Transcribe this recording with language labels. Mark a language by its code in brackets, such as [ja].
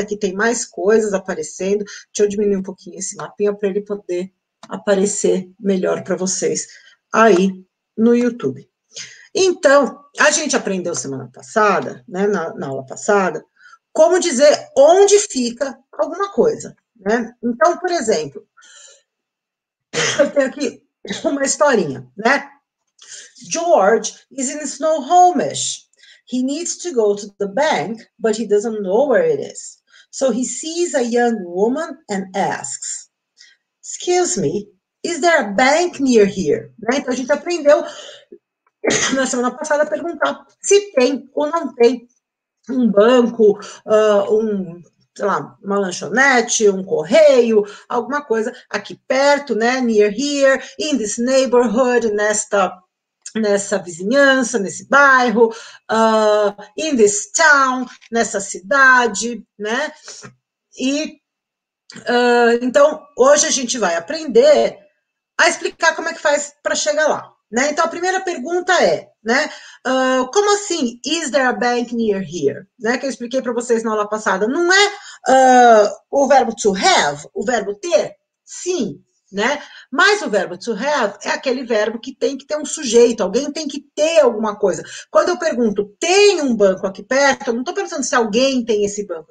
[pt] Aqui tem mais coisas aparecendo. Deixa eu diminuir um pouquinho esse mapinha para ele poder aparecer melhor para vocês aí no YouTube. Então, a gente aprendeu semana passada, né, na aula passada, como dizer onde fica alguma coisa, né? Então, por exemplo, eu tenho aqui uma historinha, né? [en] George is in Snow Homish. He needs to go to the bank, but he doesn't know where it is. So he sees a young woman and asks, "Excuse me, is there a bank near here?" [pt] Né? Então a gente aprendeu na semana passada a perguntar se tem ou não tem um banco, sei lá, uma lanchonete, um correio, alguma coisa aqui perto, né? [en] Near here, in this neighborhood, [pt] nessa vizinhança, nesse bairro, [en] in this town, [pt] nessa cidade, né? Então hoje a gente vai aprender a explicar como é que faz para chegar lá, né? Então a primeira pergunta é, né? Como assim, [en] is there a bank near here? [pt] Né? Que eu expliquei para vocês na aula passada. Não é o verbo to have, o verbo ter? Sim, né? Mas o verbo to have é aquele verbo que tem que ter um sujeito, alguém tem que ter alguma coisa. Quando eu pergunto, tem um banco aqui perto? Eu não estou perguntando se alguém tem esse banco.